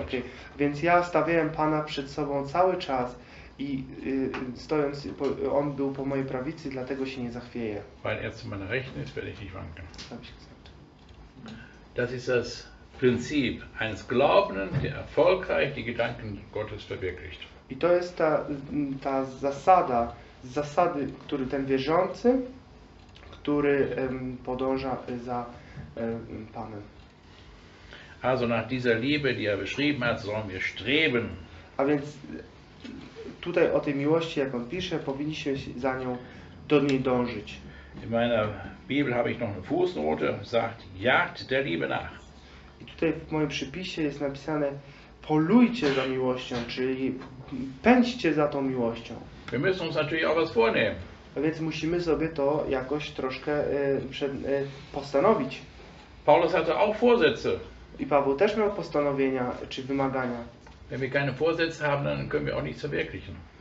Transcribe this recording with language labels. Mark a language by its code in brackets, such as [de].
[pl] Okay. Więc ja stawiałem Pana przed sobą cały czas i stojąc, on był po mojej prawicy, dlatego się nie zachwieję. [de] Weil zu meiner Rechten ist, werde ich nicht wanken. Das ist das Prinzip eines Glaubenden, der erfolgreich die Gedanken Gottes verwirklicht. [pl] I to jest ta zasada, zasady, który ten wierzący, który podąża za Panem. [de] Also nach dieser Liebe, die beschrieben hat, sollen wir streben. [pl] A więc tutaj o tej miłości, jak on pisze, powinniśmy za nią do niej dążyć. [de] In meiner Bibel habe ich noch eine Fußnote, sagt, jagt der Liebe nach. [pl] I tutaj w moim przypisie jest napisane: polujcie za miłością, czyli pędźcie za tą miłością. [de] Wir müssen uns natürlich auch was vornehmen. [pl] A więc musimy sobie to jakoś troszkę postanowić. [de] Paulus hatte auch Vorsätze. [pl] I Paweł też miał postanowienia czy wymagania. [de] Wenn wir keine Vorsätze haben, dann können wir auch nichts verwirklichen.